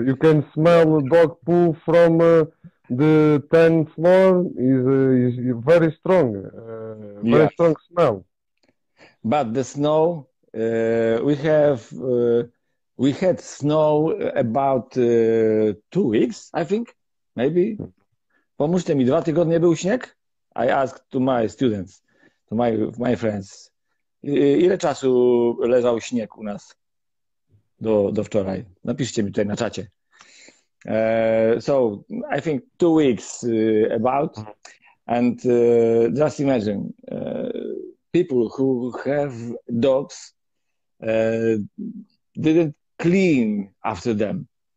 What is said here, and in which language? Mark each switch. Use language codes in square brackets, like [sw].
[en] You can smell dog poo from the 10th floor. Is very strong, very yes. strong smell. But the snow, we have We had snow about 2 weeks, I think, maybe. [pl] Pomóżcie mi, 2 tygodnie był śnieg? [en] I asked to my students, to my friends, [pl] ile czasu leżał śnieg u nas do wczoraj? Napiszcie mi tutaj na czacie. [en] So I think 2 weeks about, and just imagine people who have dogs didn't clean after them.